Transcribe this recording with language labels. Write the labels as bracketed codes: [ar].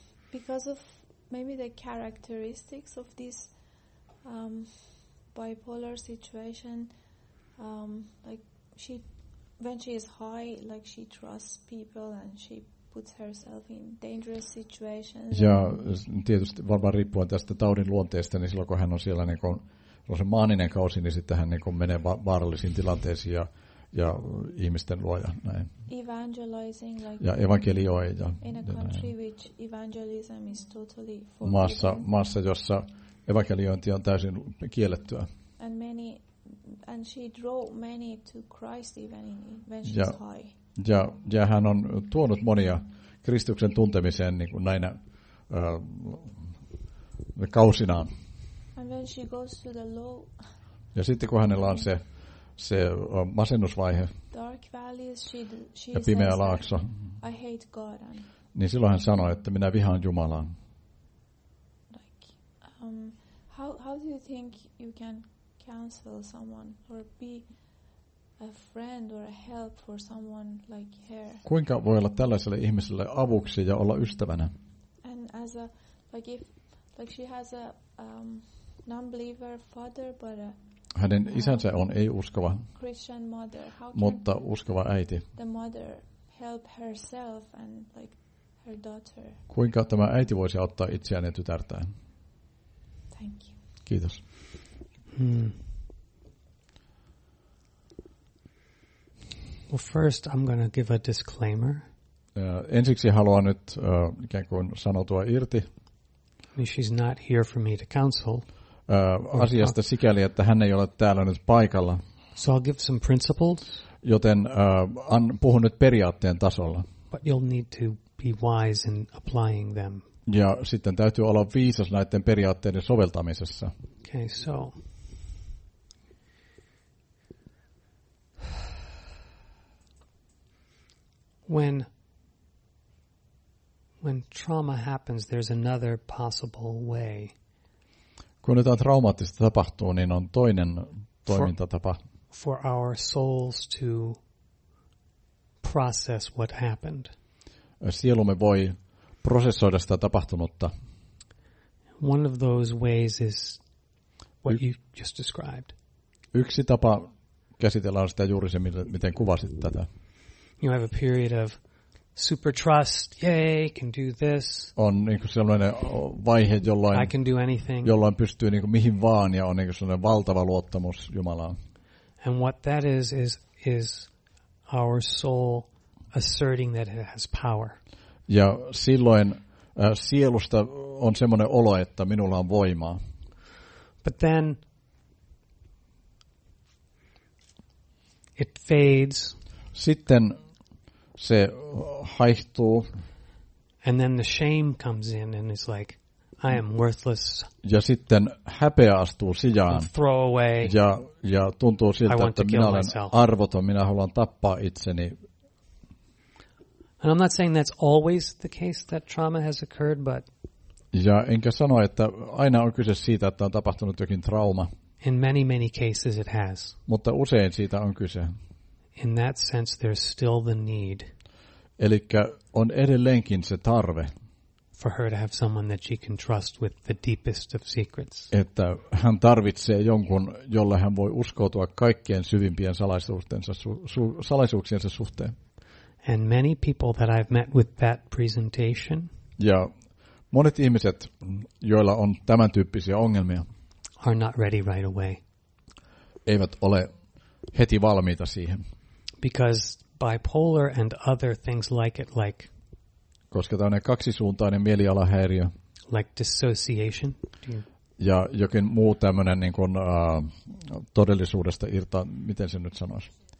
[en] Because of maybe the characteristics of this bipolar situation, like she, when she is high, like she trusts people and she puts herself in dangerous situations. [fi] Ja tietysti varmaan riippuen tästä taudin luonteesta, niin silloin kun hän on siellä niin kuin se maaninen kausi, niin sitten hän niin kuin menee vaarallisiin tilanteisiin ja ihmisten luoja näin. [en] Evangelizing, like, [fi] ja evankelioi ja [en] in a country which evangelism is totally forbidden. [fi] Maassa jossa evankeliointi on täysin kiellettyä. [en] And many, and she drew many to Christ even in, when she's high. [fi] Ja hän on tuonut monia Kristuksen tuntemiseen niin kuin näinä kausinaan. [en] And when she goes to the low. [fi] Ja sitten kun hänellä on se masennusvaihe. [en] Dark valleys, she [fi] ja pimeä laakso. [en] I hate God and. [fi] Niin silloin hän sanoi, että minä vihaan Jumalaa. [en] Like, how do you think you can counsel someone or be a friend or a help for someone like her? [fi] Kuinka voi olla tällaiselle ihmiselle avuksi ja olla ystävänä? [en] And as a, like if, like she has a non-believer father, but a. [fi] Hänen isänsä on ei-uskova, [en] Christian mother. How [fi] mutta uskova äiti. [en] The mother help herself and like her daughter. [fi] Kuinka tämä äiti voisi auttaa itseään ja tytärtään? [en] Thank you. [fi] Kiitos. [en] Well, first I'm going to give a disclaimer. [fi] Ensiksi haluan nyt ikään kuin sanoutua irti. [en] She's not here for me to counsel. [fi] Asiasta sikäli, että hän ei ole täällä nyt paikalla. [en] So I'll give some principles. [fi] Joten puhun nyt periaatteen tasolla. [en] But you'll need to be wise in applying them. [fi] Ja sitten täytyy olla viisas näiden periaatteiden soveltamisessa. [en] Okay, so. When when trauma happens, there's another possible way. [fi] Kun jotain traumaattista tapahtuu, niin on toinen toimintatapa. [en] For our souls to process what happened. [fi] Sielumme voi prosessoida sitä tapahtunutta. [en] One of those ways is what you just described. [fi] Yksi tapa käsitellä sitä juuri se, miten kuvasit tätä. [en] You have a period of super trust, yay, can do this. [fi] On niinku sellainen vaihe, jolloin [en] I can do anything. [fi] Jolloin pystyy niinku mihin vaan ja on niinku sellainen valtava luottamus Jumalaan. [en] And what that is our soul asserting that it has power. [fi] Ja silloin sielusta on semmoinen olo, että minulla on voimaa. [en] But then it fades. [fi] Sitten se haihtuu. [en] And then the shame comes in and it's like I am worthless. [fi] Ja sitten häpeä astuu sijaan. [en] Throw away. [fi] Ja tuntuu siltä, että minä olen arvoton, minä haluan tappaa itseni. [en] And I'm not saying that's always the case that trauma has occurred, but [fi] ja enkä sano, että aina on kyse siitä, että on tapahtunut jokin trauma. [en] In many, many cases it has. [fi] Mutta usein siitä on kyse. [en] In that sense there's still the need. [fi] Elikkä on edelleenkin se tarve. [en] For her to have someone that she can trust with the deepest of secrets. [fi] Että hän tarvitsee jonkun, jolle hän voi uskoutua kaikkien syvimpien salaisuuksiensa suhteen. [en] And many people that I've met with that presentation. [fi] Ja monet ihmiset, joilla on tämän tyyppisiä ongelmia, [en] are not ready right away. [fi] Eivät ole heti valmiita siihen. [en] Because bipolar and other things like it, like [fi] koska tämä on kaksisuuntainen mielialahäiriö. [en] Like dissociation. [fi] Ja jokin muu tämmöinen niin kuin, todellisuudesta irta, miten se nyt sanoisi?